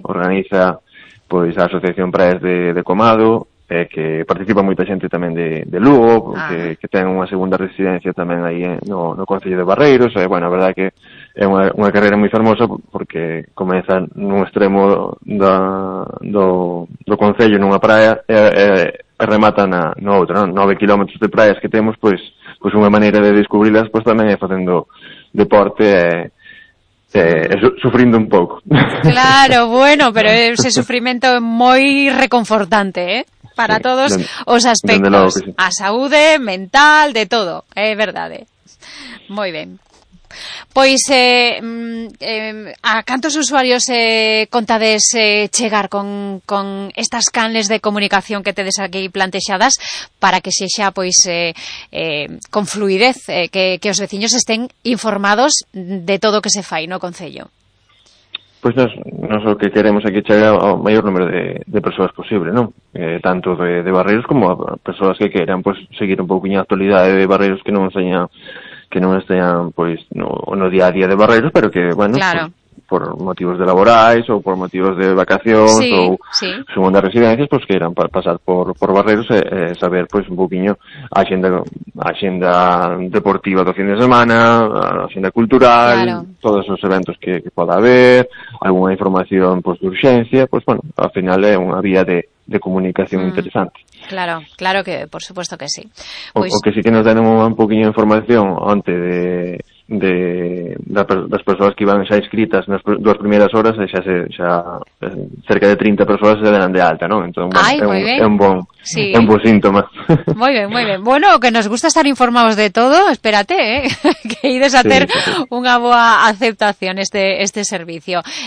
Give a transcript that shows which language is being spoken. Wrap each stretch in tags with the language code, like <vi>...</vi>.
<gl>Organiza pues, a Asociación Praias de Comado, que participa moita xente tamén de Lugo, que ten unha segunda residencia tamén aí no Concello de Barreiros, e, bueno, a verdade que é unha carreira moi fermosa, porque comeza nun extremo do Concello, nunha praia, e remata no outro, non? 9 kilómetros de praias que temos, pois unha maneira de descubrirlas, pois tamén é facendo deporte, sufrindo un pouco. Claro, bueno, pero ese sufrimento é moi reconfortante, eh? Para sí, todos os aspectos, sí. A saúde, mental, de todo, é verdade. Moi ben. Pois, a cantos usuarios contades chegar con estas canles de comunicación que tedes aquí plantexadas para que sexa, pois, con fluidez, que os veciños estén informados de todo o que se fai no concello? Pois nos o que queremos é que chegue ao maior número de persoas posible, non? Tanto de Barreiros como a persoas que queiran pois, seguir un pouquinho a actualidade de Barreiros que non estean pois, no día a día de Barreiros, pero que, bueno, claro. por motivos de laborais ou por motivos de vacacións sí, ou sí. segunda residencias, pois queiran pasar por Barreiros e saber pois, un pouquinho a xenda deportiva do fin de semana, a xenda cultural, claro. todos os eventos que poda haber, alguna información pois, de urxencia, pois, bueno, ao final é unha vía de comunicación interesante.</gl> <es>Claro, claro que, por supuesto que sí. Pues...</es> <gl>O que sí que nos den un poquinho de información antes das persoas que iban xa inscritas nas dúas primeiras horas, xa cerca de 30 persoas se deran de alta, non? Entón, bueno, é un bon síntoma. Moi ben. Bueno, que nos gusta estar informados de todo, espérate, que ides a hacer unha boa aceptación este servicio.</gl>